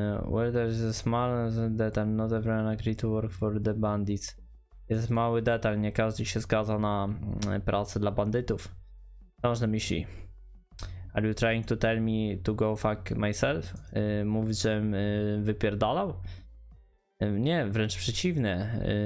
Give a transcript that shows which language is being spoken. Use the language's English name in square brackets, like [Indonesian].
[English] Where there's a small detail, not everyone agreed to work for the bandits. [Polish] Jest mały detal, nie każdy się zgadza na pracę dla bandytów. Ważne myśli. [English] Are you trying to tell me to go fuck myself? [Polish] Mówić, żebym wypierdalał? Nie, wręcz przeciwne.